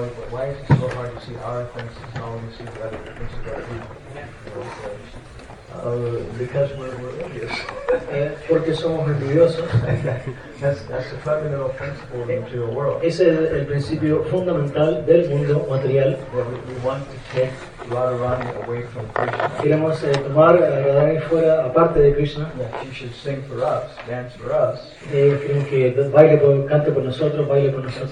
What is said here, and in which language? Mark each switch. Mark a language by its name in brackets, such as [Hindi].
[English] Why is it so hard to see our offenses and only see the other offenses of our people? Because we're envious. [Spanish] Porque somos envidiosos. [English] That's the fundamental principle of the material world. [Spanish] Ese es el principio fundamental del mundo material. [English] We want to take Radharani away from Krishna. [Spanish] Queremos tomar a Radharani fuera, aparte de Krishna. [English] Yeah, she should sing for us, dance for us. [Spanish] Queremos que baile, cante por nosotros, baile con nosotros.